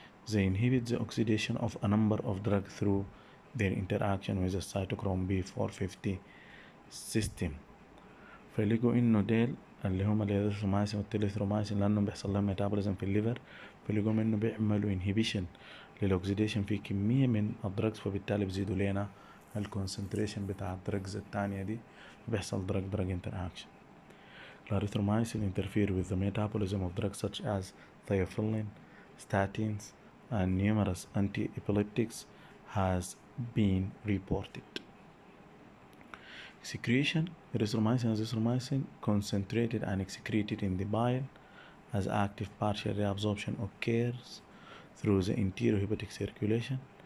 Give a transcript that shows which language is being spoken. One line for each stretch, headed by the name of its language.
English: They inhibit the oxidation of a number of drugs through their interaction with the cytochrome B450 system.
Arabic: فليقوا إنه ديل اللي هم الازيثرومايسين والتيليثرومايسين لأنهم بيحصل لهم metabolism في الليفر, فليقوا إنه بيعملوا inhibition للأكسيديشن في كمية من الدرجز, فبالتالي بزيدوا لنا الكونسنتريشن بتاع الدرجز التانية دي, بيحصل درج درج انتراكشن.
English: Clarithromycin interfere with the metabolism of drugs such as theophylline, statins and numerous anti-epileptics has been reported. Secretion: erythromycin and azithromycin concentrated and excreted in the bile as active partial reabsorption occurs through the interior hepatic circulation.